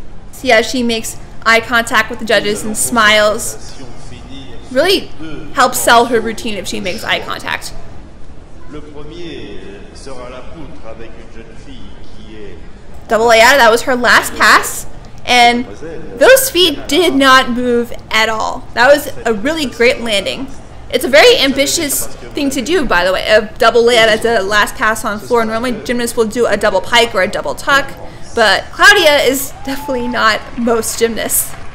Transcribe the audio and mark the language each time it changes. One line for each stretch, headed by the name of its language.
English: See how she makes eye contact with the judges and smiles. Really helps sell her routine if she makes eye contact.
French: Le premier sera la poutre avec une jeune fille qui est...
English: Double Ayala, that was her last pass. And those feet did not move at all. That was a really great landing. It's a very ambitious thing to do, by the way, a double layout at the last pass on floor. Normally, gymnasts will do a double pike or a double tuck, but Claudia is definitely not most gymnasts.